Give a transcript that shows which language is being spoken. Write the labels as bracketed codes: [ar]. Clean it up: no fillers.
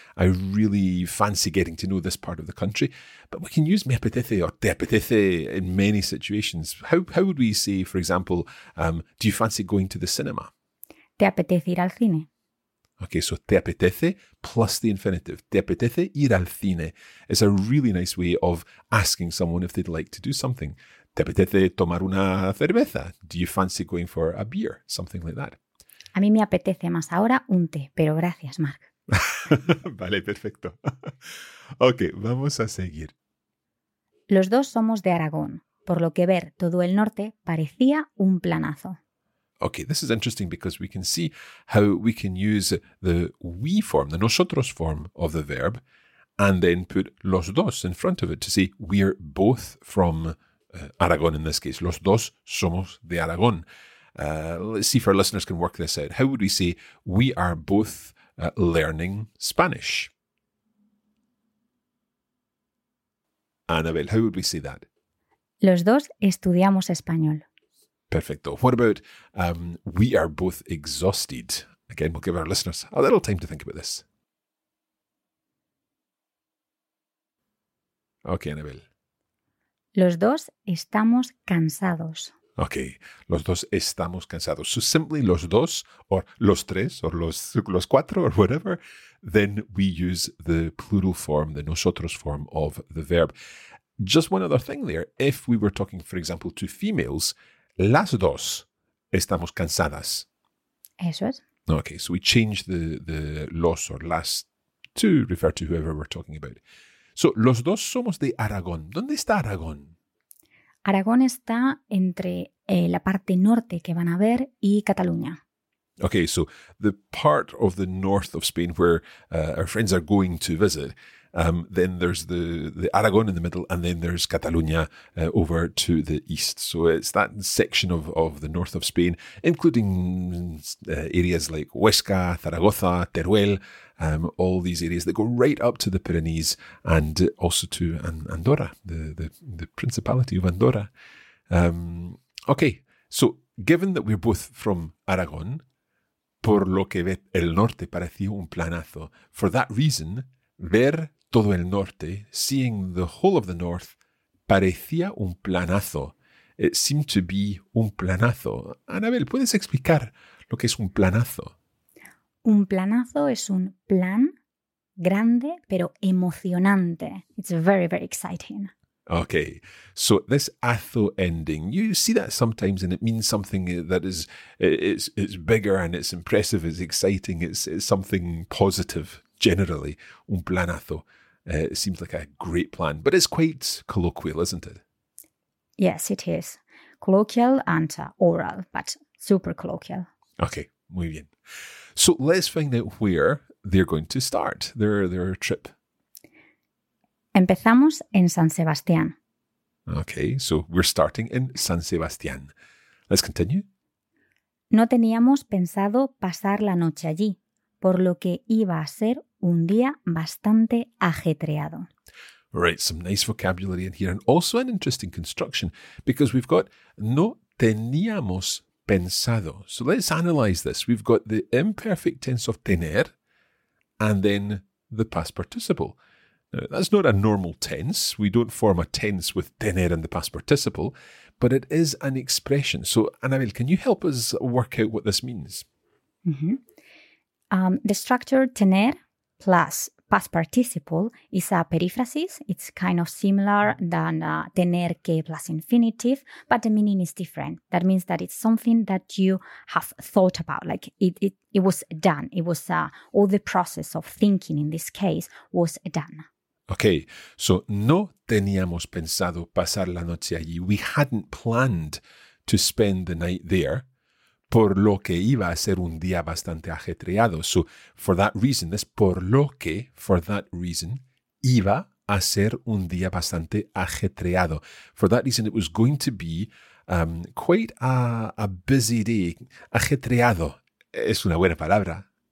[en] I really fancy getting to know this part of the country. But we can use [es] me apetece [en] or [es] te apetece [en] in many situations. How would we say, for example, do you fancy going to the cinema? [es] Te apetece ir al cine. [en] Okay, so [es] te apetece [en] plus the infinitive. [es] Te apetece ir al cine. [en] It's a really nice way of asking someone if they'd like to do something. [es] ¿Te apetece tomar una cerveza? [en] Do you fancy going for a beer? Something like that. [es] A mí me apetece más ahora un té, pero gracias, Mark. Vale, perfecto. Ok, vamos a seguir. Los dos somos de Aragón, por lo que ver todo el norte parecía un planazo. [en] Ok, this is interesting because we can see how we can use the we form, the nosotros form of the verb, and then put [es] los dos [en] in front of it to say we're both from Aragón in this case. [es] Los dos somos de Aragón. [en] Let's see if our listeners can work this out. How would we say we are both learning Spanish? Anabel, how would we say that? [es] Los dos estudiamos español. Perfecto. [en] What about we are both exhausted? Again, we'll give our listeners a little time to think about this. Okay, Anabel. [es] Los dos estamos cansados. Ok, los dos estamos cansados. [en] So simply [es] los dos, [en] or [es] los tres, [en] or [es] los cuatro, [en] or whatever, then we use the plural form, the nosotros form of the verb. Just one other thing there. If we were talking, for example, to females, [es] las dos estamos cansadas. Eso es. [en] Ok, so we change the los or las to refer to whoever we're talking about. So, [es] los dos somos de Aragón. ¿Dónde está Aragón? Aragón está entre la parte norte que van a ver y Cataluña. [en] Okay, so the part of the north of Spain where our friends are going to visit, then there's the Aragón in the middle, and then there's Cataluña over to the east. So it's that section of the north of Spain, including areas like Huesca, Zaragoza, Teruel, all these areas that go right up to the Pyrenees and also to Andorra, the Principality of Andorra. Okay, so given that we're both from Aragón, [es] por lo que ve el norte pareció un planazo. [en] For that reason, [es] ver todo el norte, [en] seeing the whole of the north, [es] parecía un planazo. [en] It seemed to be un planazo. [es] Anabel, ¿puedes explicar lo que es un planazo? Un planazo es un plan grande, pero emocionante. [en] It's very, very exciting. Okay, so this "-azo ending, you see that sometimes and it means something that is bigger and it's impressive, it's exciting, it's something positive, generally. Un planazo. It seems like a great plan, but it's quite colloquial, isn't it? Yes, it is. Colloquial and oral, but super colloquial. [es] Okay, muy bien. [en] So let's find out where they're going to start their trip. [es] Empezamos en San Sebastián. [en] Okay, so we're starting in San Sebastián. Let's continue. [es] No teníamos pensado pasar la noche allí, por lo que iba a ser un día bastante ajetreado. [en] Right, some nice vocabulary in here, and also an interesting construction, because we've got [es] no teníamos pensado. [en] So let's analyze this. We've got the imperfect tense of tener, and then the past participle. Now, that's not a normal tense. We don't form a tense with tener and the past participle, but it is an expression. So, Anabel, can you help us work out what this means? Mm-hmm. The structure tener plus past participle is a periphrasis. It's kind of similar than tener que plus infinitive, but the meaning is different. That means that it's something that you have thought about, like it was done. It was all the process of thinking in this case was done. Okay, so [es] no teníamos pensado pasar la noche allí. [en] We hadn't planned to spend the night there, [es] por lo que iba a ser un día bastante ajetreado. [en] So for that reason, this [es] por lo que, [en] for that reason, [es] iba a ser un día bastante ajetreado. [en] For that reason, it was going to be quite a busy day. [es] Ajetreado es una buena palabra.